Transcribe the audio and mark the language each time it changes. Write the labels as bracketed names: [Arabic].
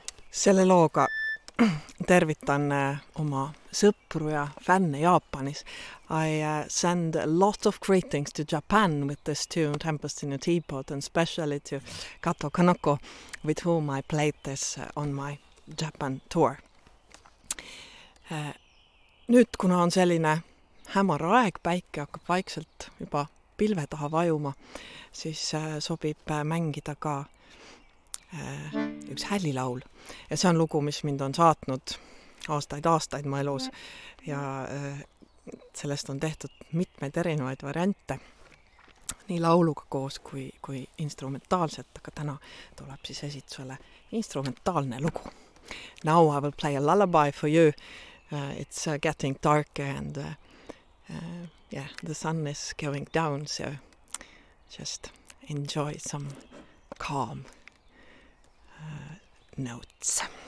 [Estonian] Selle looga tervitan oma sõpru ja fänne Jaapanis. [English] I send a lot of greetings to Japan with this tune, Tempest in a Teapot, and especially to Kato Kanoko, with whom I played this on my Japan tour. [Estonian] Nüüd, kuna on selline hämar aeg, päike hakkab vaikselt juba pilve taha vajuma, siis sobib mängida ka üks hällilaul. Ja see on lugu, mis mind on saatnud aastaid ma elus. Ja sellest on tehtud mitmeid erinevaid variante, nii lauluga koos kui instrumentaalselt. Aga täna tuleb siis esitusele instrumentaalne lugu. [English] Now I will play a lullaby for you. It's getting darker and yeah, the sun is going down, so just enjoy some calm notes.